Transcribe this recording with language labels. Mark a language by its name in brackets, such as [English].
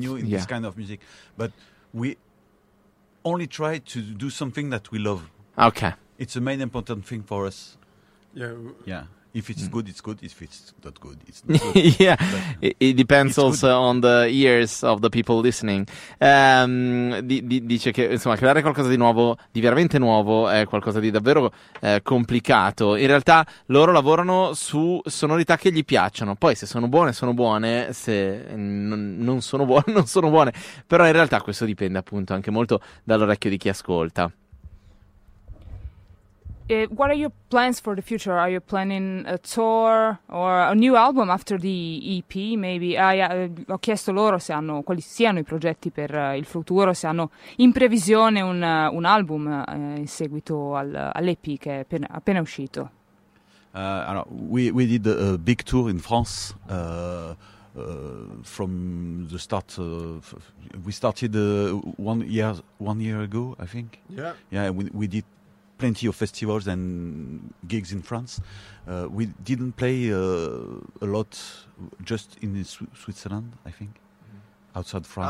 [English] new in this kind of music. But we only try to do something that we love. Okay. It's the main important thing for us. Yeah. Yeah. If it's good, it's good. If it's not good, it's not good. Yeah, it depends also on the ears of the people listening. [Italian] Dice che, insomma, creare qualcosa di nuovo, di veramente nuovo, è qualcosa di davvero complicato. In realtà loro lavorano su sonorità che gli piacciono. Poi se sono buone, sono buone. Se non sono buone, non sono buone. Però in realtà questo dipende appunto anche molto dall'orecchio di chi ascolta. [English] What are your plans for the future? Are you planning a tour or a new album after the EP, maybe? [Italian] Ho chiesto loro se hanno, quali siano i progetti per il futuro, se hanno in previsione un album in seguito all'EP che è appena uscito. [English] We did a big tour in France. From the start, we started 1 year ago, I think. Yeah, we did plenty of festivals and gigs in France. We didn't play a lot, just in Switzerland, I think, outside France.